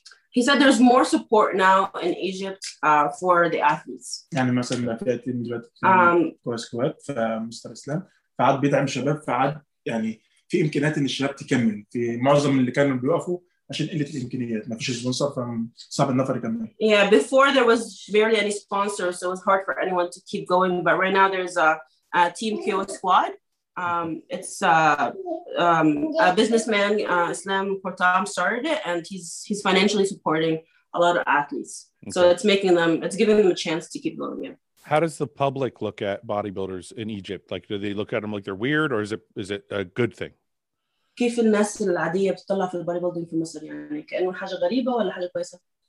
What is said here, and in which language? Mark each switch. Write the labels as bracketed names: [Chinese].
[English] He said there's more support now in Egypt for the athletes. [Arabic] يعني مثلا لفاتين دلوقتي كويس كويس فمستر اسلام فعاد بيدعم شباب فعاد يعني في امكانيات ان الشباب تكمل في معظم اللي كانوا بيوقفوا عشان قلة الإمكانيات ما فيش سبونسر فصعب النفر يكمل. [English] Yeah, before there was barely any sponsors, so it was hard for anyone to keep going. But right now there's a team KO squad. It's a businessman, Islam Portam, started it, and he's financially supporting a lot of athletes. Okay. So it's making them, it's giving them a chance to keep going. Yeah. How does the public look at bodybuilders in Egypt? Like, do they look at them like they're weird, or is it a good thing? [Arabic] كيف الناس العادية بتطلع في البوديبيلدينج في مصر يعني كأنه حاجة غريبة ولا حاجة كويسة؟